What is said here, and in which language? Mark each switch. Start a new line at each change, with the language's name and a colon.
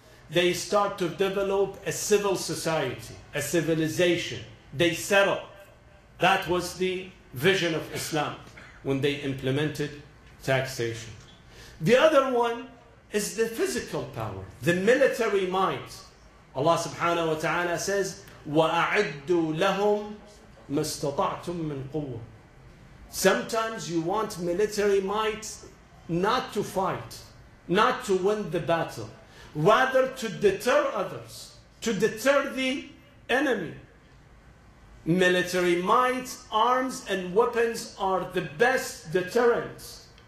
English: They start to develop a civil society, a civilization. They settle. That was the vision of Islam when they implemented taxation. The other one is the physical power, the military might. Allah subhanahu wa ta'ala says,
Arabic: وَأَعِدُّوا لَهُمْ مَا اسْتَطَعْتُمْ مِنْ قُوَّةٍ.
English: Sometimes you want military might not to fight, not to win the battle, rather to deter others, to deter the enemy. Military might, arms and weapons are the best deterrents.